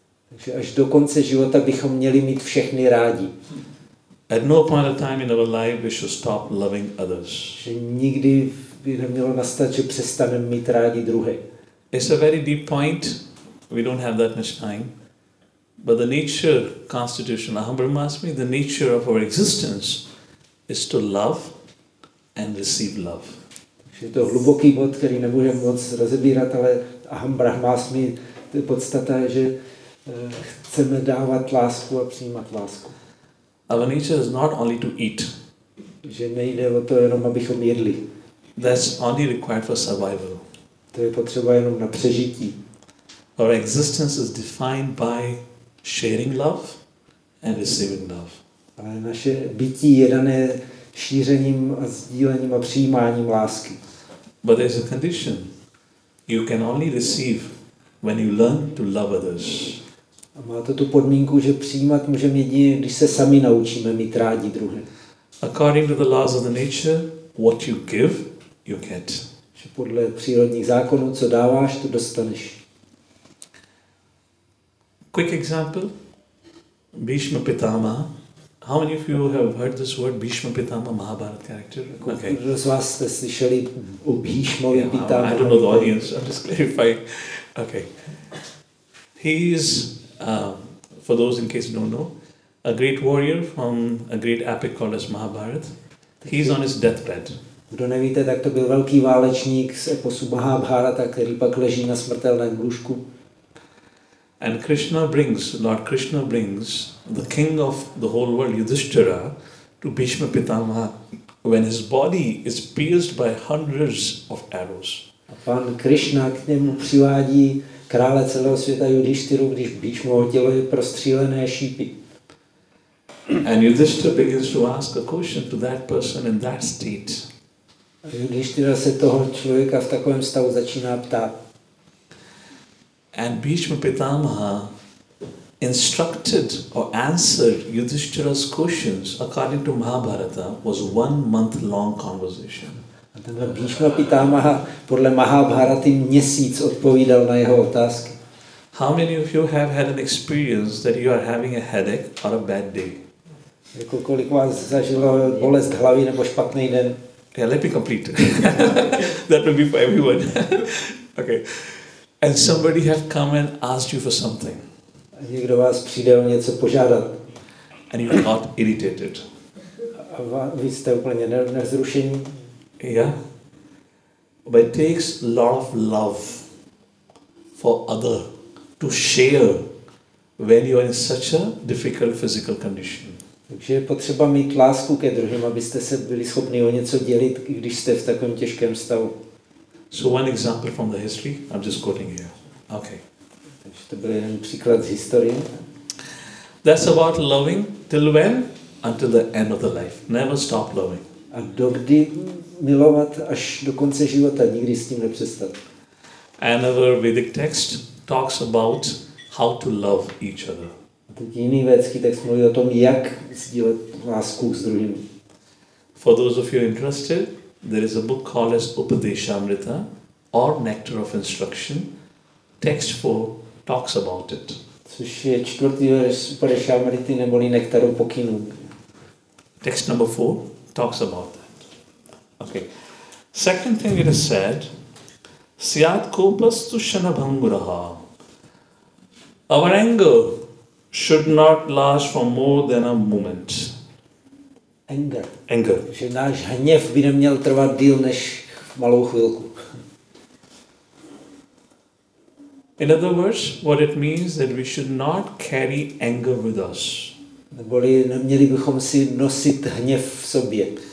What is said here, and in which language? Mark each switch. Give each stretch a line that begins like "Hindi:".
Czech: Takže až do konce života bychom měli mít všechny rádi.
English: At no point of time in our life we should stop loving others.
Czech: Že nikdy by nemělo nastat, že přestaneme mít rádi druhé.
English: It's a very deep point. We don't have that much time. But the nature, constitution,
Sanskrit: aham brahmasmi,
English: the nature of our existence is to love and receive love.
Czech: Je to hluboký bod, který nemůžeme moc rozebírat, ale
Sanskrit: aham brahmasmi,
Czech: to je podstata, že chceme dávat lásku a přijímat lásku.
English: Our nature is not only to eat.
Czech: Že nejde o to jenom, abychom jedli.
English: That's only required for survival.
Czech: To je potřeba jenom na přežití.
English: Our existence is defined by sharing love and receiving love.
Czech: Ale naše bytí je dané šířením a sdílením a přijímáním lásky.
English: But there's a condition. You can only receive when you learn to love others.
Czech: A má to tu podmínku, že přijímat můžeme jedině, když se sami naučíme mít rádi druhé.
English: According to the laws of the nature, what you give, you get.
Czech: Že podle přírodních zákonů, co dáváš, to dostaneš.
English: Quick example. Bhishma Pitama. How many of you have heard this word Bhishma Pitama, Mahabharata character? Okay.
Czech: Kdo z vás jste slyšeli o Bhishmovi Pitama?
English: I don't know the audience. I'm just clarifying. Okay. He is for those in case you don't know, a great warrior from a great epic called as Mahabharata. He's on his deathbed.
Czech: Kdo nevíte, tak to byl velký válečník z eposu Mahabharata, který pak leží na smrtelném lůžku.
English: And Krishna brings, Lord Krishna brings the king of the whole world, Yudhishthira, to Bhishma Pitama when his body is pierced by hundreds of arrows.
Czech: A pan Krishna k němu přivádí krále celého světa Yudhishthiru, když Bhishmovo tělo je prostřílené šípy.
English: And Yudhishthira begins to ask a question to that person in that state.
Czech: A Yudhishthira se toho člověka v takovém stavu začíná ptát.
English: And Bhishma Pitamaha instructed or answered Yudhishthira's questions according to Mahabharata was 1 month long conversation.
Czech: Tenhle Bhishma Pitamaha podle Mahabharaty měsíc odpovídal na jeho otázky.
English: How many of you have had an experience that you are having a headache or a bad day?
Czech: Jako kolik vás zažilo bolest hlavy nebo špatný den?
English: Yeah, let me complete. That will be for everyone. Okay. And somebody has come and asked you for something.
Czech: A někdo vás přijde o něco požádat.
English: And you got irritated.
Czech: A vy jste úplně nevzrušení.
English: Yeah, but it takes a lot of love for other to share when you are in such a difficult physical condition.
Czech: Takže je potřeba mít lásku ke druhým, abyste se byli schopni o něco dělit, když jste v takovém těžkém stavu.
English: So one example from the history, I'm just quoting here. Okay.
Czech: Takže to byl jeden příklad z historie.
English: That's about loving till when? Until the end of the life. Never stop loving.
Czech: A dokdy milovat až do konce života, nikdy s tím nepřestat.
English: Another Vedic text talks about how to love each other.
Czech: A teď jiný vědecký text mluví o tom, jak sdílet lásku s druhým.
English: For those of you interested, there is a book called as Upadeshamrita or Nectar of Instruction. Text 4 talks about it.
Czech: Což je čtvrtý verš Upadeshamrity neboli Nektaru pokynů.
English: Text number 4 talks about that. Okay. Second thing it is said,
Sanskrit: Syat kopastu shanabhanguraha.
English: Our anger should not last for more than a moment. Anger.
Czech: Že náš hněv by neměl trvat díl než malou chvilku.
English: In other words, what it means that we should not carry anger with us.
Czech: Neboli neměli bychom si nosit hněv v sobě.